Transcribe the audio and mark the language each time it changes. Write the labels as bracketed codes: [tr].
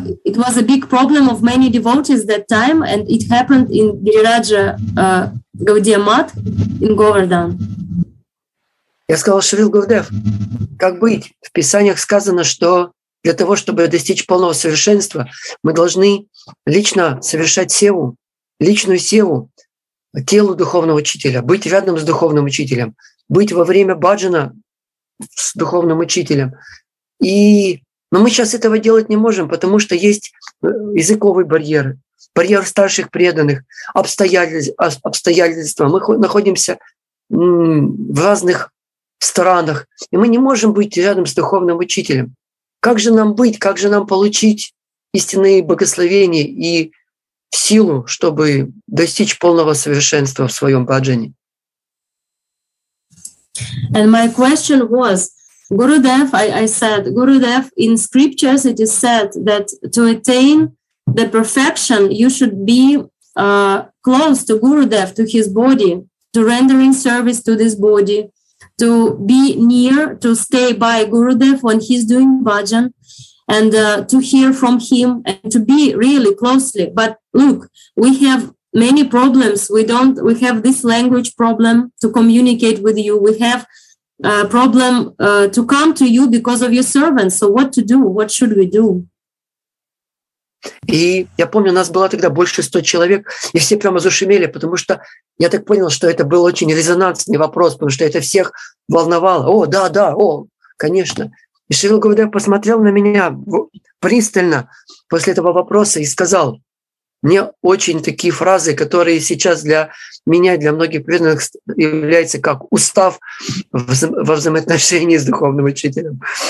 [en] It was a big problem of many devotees that time, and it happened in Giriraja Gaudiya Math in Govardhan. [ru] Я сказал: «Шрил Гурудев, как быть? В Писаниях сказано, что для того, чтобы достичь полного совершенства, мы должны лично совершать севу, личную севу телу духовного учителя, быть рядом с духовным учителем, быть во время баджана с духовным учителем. И, но мы сейчас этого делать не можем, потому что есть языковый барьер, барьер старших преданных, обстоятельства. Мы находимся в разных странах, и мы не можем быть рядом с духовным учителем. Как же нам быть, как же нам получить истинные благословения и силу, чтобы достичь полного совершенства в своем баджане?» [en] And my question was, Gurudev, I said, Gurudev, in scriptures it is said that to attain the perfection, you should be close to Gurudev, to his body, to rendering service to this body, to be near, to stay by Gurudev when he's doing bhajan, and to hear from him, and to be really closely. But look, we have many problems. We have this language problem to communicate with you. We have a problem to come to you because of your servants. So what to do? What should we do? [ru] И я помню, у нас было тогда больше 100 человек, и все прямо зашумели, потому что я так понял, что это был очень резонансный вопрос, потому что это всех волновало. О, да, да, о, конечно. И Шрила Гурудев посмотрел на меня пристально после этого вопроса и сказал: «Мне очень такие фразы, которые сейчас для меня и для многих преданных являются как устав во взаимоотношении с духовным учителем».